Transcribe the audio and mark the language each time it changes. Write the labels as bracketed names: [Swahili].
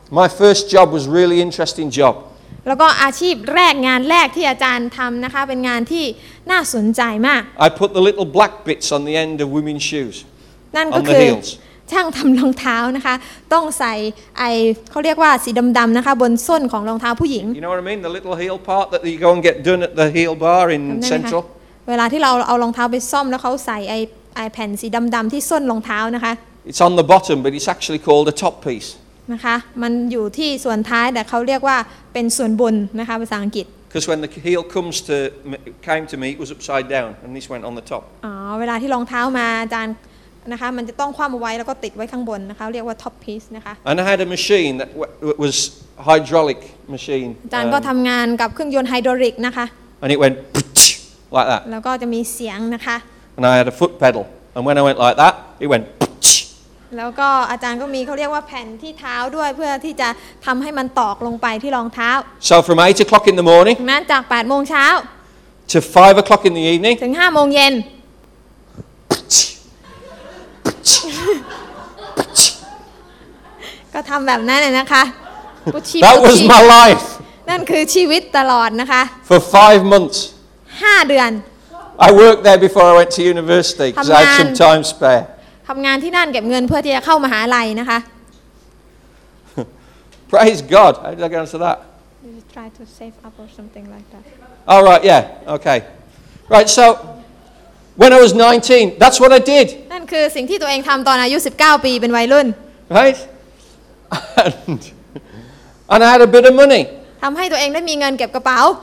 [English] My first job was really interesting job [Thai] แล้วก็อาชีพแรกงานแรกที่อาจารย์ทำนะคะเป็นงานที่น่าสนใจมาก [English] I put the little black bits on the end of women's shoes [Thai] นั่นก็คือช่างทำรองเท้านะคะต้องใส่ไอเขาเรียกว่าสีดำๆนะคะบนส้นของรองเท้าผู้หญิง [English] You know what I mean the little heel part that you go and get done at the heel bar in central [Thai] เวลาที่เราเอารองเท้าไปซ่อมแล้วเขาใส่ไอแผ่นสีดำๆที่ส้นรองเท้านะคะ [English] It's on the bottom but it's actually called a top piece [Thai] นะคะมันอยู่ที่ส่วนท้ายแต่เขาเรียกว่าเป็นส่วนบนนะคะภาษาอังกฤษ [English] Because when the heel came to me it was upside down and this went on the top [Thai] อ๋อเวลาที่รองเท้ามาอาจารย์นะคะมันจะต้องคว่ำเอาไว้แล้วก็ติดไว้ข้างบนนะคะเรียกว่า top piece นะคะ [English] And I had a machine that was hydraulic machine [Thai] อาจารย์ก็ทำงานกับเครื่องยนต์ไฮดรอลิกนะคะ [English] And it went like that [Thai] แล้วก็จะมีเสียงนะคะ [English] And I had a foot pedal and when I went like that it went [Thai] แล้วก็อาจารย์ก็มีเขาเรียกว่าแผ่นที่เท้าด้วยเพื่อที่จะทำให้มันตอกลงไปที่รองเท้า [English] So from 8 o'clock in the morning [Thai] นั้นจาก 8 โมงเช้า [English] to 5 o'clock in the evening [Thai] ถึง 5 โมงเย็นก็ทำแบบนั้นน่ะนะคะ [English] That was my life [Thai] นั่นคือชีวิตตลอดนะคะ [English] For 5 months [Thai] 5เดือน [English] I worked there before I went to university because I had some time spare [Thai] ทำงานที่นั่นเก็บเงินเพื่อที่จะเข้ามหาลัยนะคะ [English] Praise God How did I get onto that? You try to save up or something like that All right yeah okay Right so when I was 19 that's what I did [Thai] นั่นคือสิ่งที่ตัวเองทำตอนอายุ19ปีเป็นวัยรุ่น [English] right? And I had a bit of money. [Thai] ทำให้ตัวเองได้มีเงินเก็บกระเป๋า